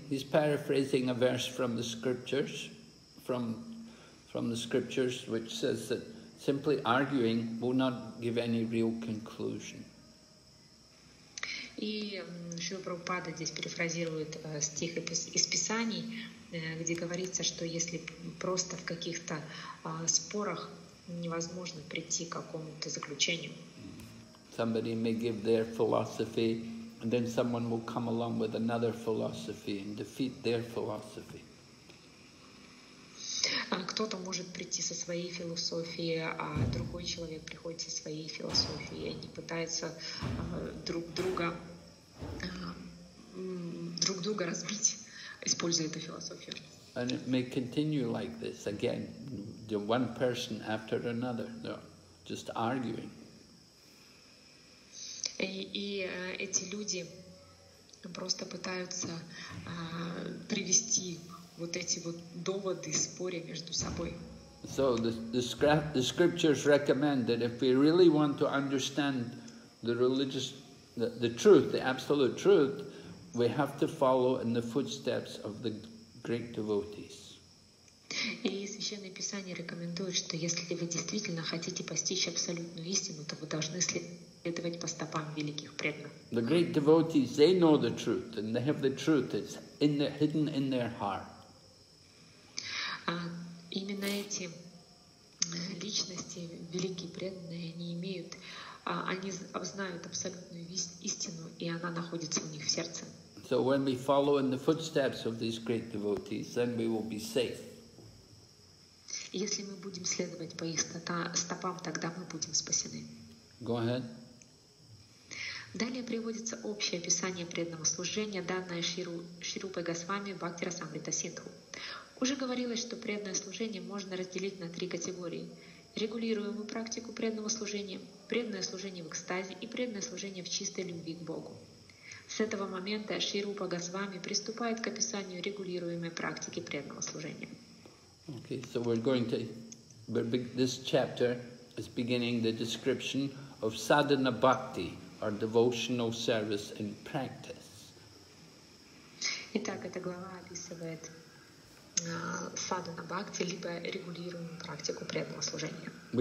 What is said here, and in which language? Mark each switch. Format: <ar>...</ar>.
<en>He's paraphrasing a verse from the scriptures, from the scriptures, which says that simply arguing will not give any real conclusion.</en> <ru>И Шрила Прабхупада здесь перефразирует стих из Писаний, где говорится, что если просто в каких-то спорах невозможно прийти к какому-то заключению.</ru> <en>Somebody may give their philosophy, and then someone will come along with another philosophy and defeat their philosophy.</en> <ru>Кто-то может прийти со своей философией, а другой человек приходит со своей философией, и они пытаются друг друга разбить, используя эту философию.</ru> <en>And it may continue like this again, the one person after another, just arguing.</en> <ru>И эти люди просто пытаются привести вот эти вот доводы, споря между собой.</ru> <en>So the scriptures recommend that if we really want to understand the religious, the truth, the absolute truth, we have to follow in the footsteps of the great devotees.</en> <ru>И Священное Писание рекомендует, что если вы действительно хотите постичь абсолютную истину, то вы должны следовать по стопам великих преданных.</ru> <en>The great devotees, they know the truth, and they have the truth that's hidden in their heart.</en> <ru>Именно эти личности, великие преданные, они имеют, они знают абсолютную истину, и она находится у них в сердце.</ru> <en>So when we follow in the footsteps of these great devotees, then we will be safe.</en> <ru>Если мы будем следовать по их стопам, тогда мы будем спасены.</ru> <en>Go ahead.</en> <ru>Далее приводится общее описание преданного служения, данное Шрирупой Госвами Бхактирасамрита Синдху. Уже говорилось, что преданное служение можно разделить на три категории. Регулируемую практику преданного служения, преданное служение в экстазе и преданное служение в чистой любви к Богу. С этого момента Шрирупа Госвами приступает к описанию регулируемой практики преданного служения.</ru> <en>Okay, so this chapter is beginning the description of sadhana bhakti, or devotional service in practice.</en> <ru>Итак, эта глава описывает sadhana bhakti, либо регулируемую практику преданного служения.</ru>